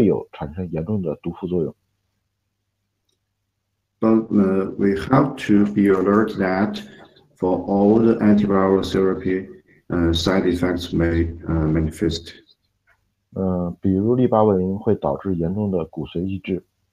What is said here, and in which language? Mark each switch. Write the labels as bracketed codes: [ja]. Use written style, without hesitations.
[zh] 但是我们用抗所有的抗病毒治疗，一定要注意它有严重的，都会有产生严重的毒副作用。 [en] But we have to be alert that for all the antiviral therapy, side effects may manifest. [zh] 比如利巴韦林会导致严重的骨髓抑制。